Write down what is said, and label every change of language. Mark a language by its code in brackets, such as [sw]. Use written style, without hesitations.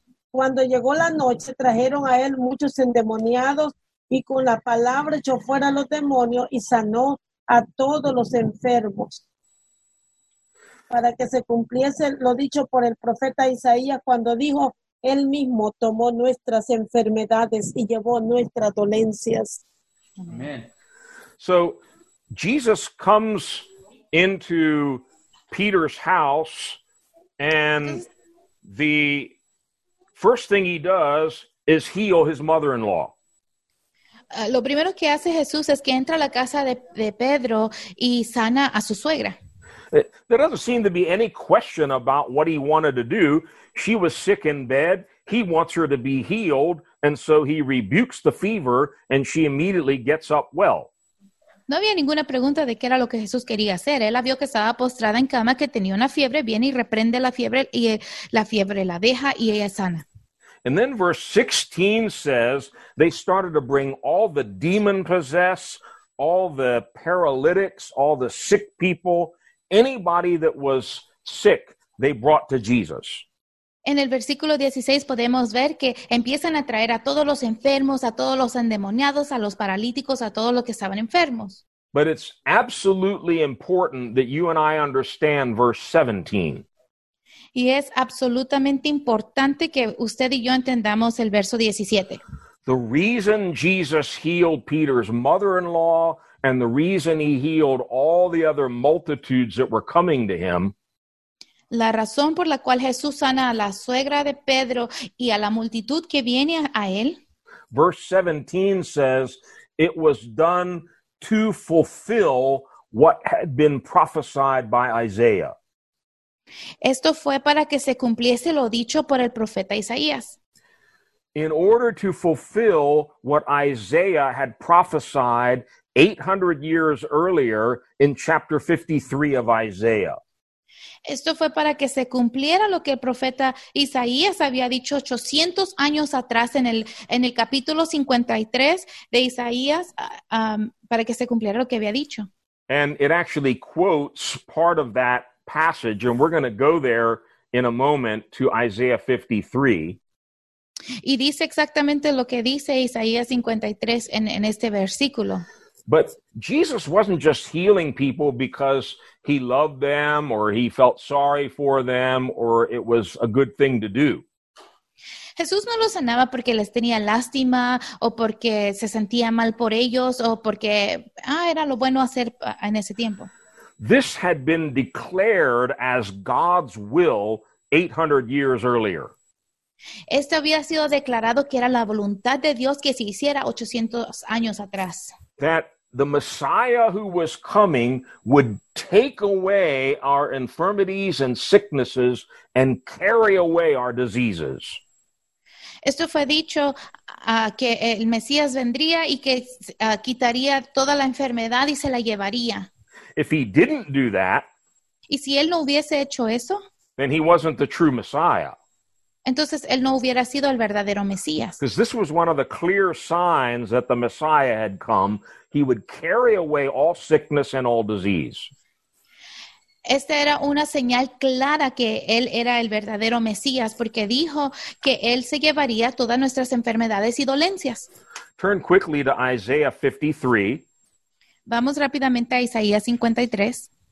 [es] Cuando llegó la noche, trajeron a él muchos endemoniados y con la palabra echó fuera a los demonios y sanó a todos los enfermos. Para que se cumpliese lo dicho por el profeta Isaías cuando dijo, él mismo tomó nuestras enfermedades y llevó nuestras dolencias. Amen. [en] So, Jesus comes into Peter's house and the first thing he does is heal his mother-in-law. [es] Lo primero que hace Jesús es que entra a la casa de Pedro y sana a su suegra. [en] There doesn't seem to be any question about what he wanted to do. She was sick in bed. He wants her to be healed. And so he rebukes the fever and she immediately gets up well. [es] No había ninguna pregunta de qué era lo que Jesús quería hacer. Él la vio que estaba postrada en cama, que tenía una fiebre, viene y reprende la fiebre y la fiebre la deja y ella sana. [en] And then verse 16 says, they started to bring all the demon-possessed, all the paralytics, all the sick people, anybody that was sick, they brought to Jesus. [es] En el versículo 16 podemos ver que empiezan a traer a todos los enfermos, a todos los endemoniados, a los paralíticos, a todos los que estaban enfermos. [en] But it's absolutely important that you and I understand verse 17. [es] Y es absolutamente importante que usted y yo entendamos el verso 17. [en] The reason Jesus healed Peter's mother-in-law and the reason he healed all the other multitudes that were coming to him. [es] La razón por la cual Jesús sana a la suegra de Pedro y a la multitud que viene a él. [en] Verse 17 says, it was done to fulfill what had been prophesied by Isaiah. [es] Esto fue para que se cumpliese lo dicho por el profeta Isaías. [en] In order to fulfill what Isaiah had prophesied 800 years earlier in chapter 53 of Isaiah. [es] Esto fue para que se cumpliera lo que el profeta Isaías había dicho 800 años atrás en el capítulo 53 de Isaías, para que se cumpliera lo que había dicho. [en] And it actually quotes part of that passage, and we're going to go there in a moment to Isaiah 53. [es] Y dice exactamente lo que dice Isaías 53 en este versículo. [en] But Jesus wasn't just healing people because he loved them or he felt sorry for them or it was a good thing to do. [es] Jesús no los sanaba porque les tenía lástima o porque se sentía mal por ellos o porque era lo bueno hacer en ese tiempo. [en] This had been declared as God's will 800 years earlier. [es] Esto había sido declarado que era la voluntad de Dios que se hiciera 800 años atrás. [en] That the Messiah who was coming would take away our infirmities and sicknesses and carry away our diseases. [es] Esto fue dicho que el Mesías vendría y que quitaría toda la enfermedad y se la llevaría. [en] If he didn't do that, [es] ¿y si él no hubiese hecho eso? [en] Then he wasn't the true Messiah. [es] Entonces, él no hubiera sido el verdadero Mesías. [en] Because this was one of the clear signs that the Messiah had come. He would carry away all sickness and all disease. [es] Esta era una señal clara que él era el verdadero Mesías, porque dijo que él se llevaría todas nuestras enfermedades y dolencias. [en] Turn quickly to Isaiah 53. [es] Vamos rápidamente a Isaías 53.